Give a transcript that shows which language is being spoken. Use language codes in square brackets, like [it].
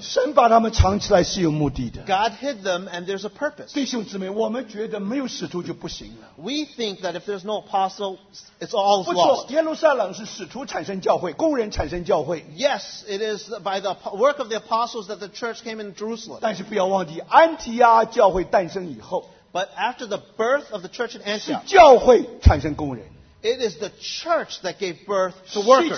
[zh] 神把他们藏起来是有目的的。 [en] God hid them and there's a purpose. [zh] 弟兄姊妹, [en] we think that if there's no apostle, it's all lost. [zh] 耶路撒冷是使徒产生教会, [en] yes, it is by the work of the apostles that the church came in Jerusalem. [zh] 但是不要忘记安提阿教会诞生以后, [en] but after the birth of the church in Antioch, [zh] 是教会产生工人。 [en] It is the church that gave birth to workers.